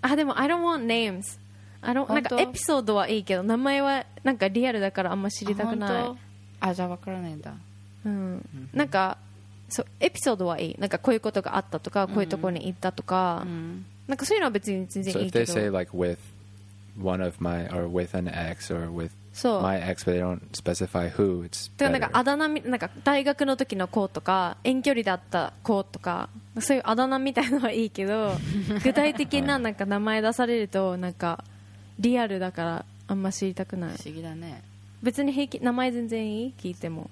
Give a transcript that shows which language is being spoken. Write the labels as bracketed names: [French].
[English] Ah, [Japanese] でも [English] I don't want names. I don't. [Japanese] なんかエピソードはいいけど、名前はなんかリアルだからあんま知りたくない。あ、じゃあ分からないんだ。うん。なんかそうエピソードはいい。なんかこういうことがあったとか、こういうところに行ったとか、なんかそういうのは別に全然いいけど。 [English] So if they say like with one of my or with an ex or with. [Japanese] そう [English] My ex, but they don't specify who. It's better. [Japanese] なんかあだ名、なんか大学の時の子とか遠距離だった子とかそういうあだ名みたいのはいいけど具体的ななんか名前出されるとなんかリアルだからあんま知りたくない。不思議だね。別に平気、名前全然いい、聞いても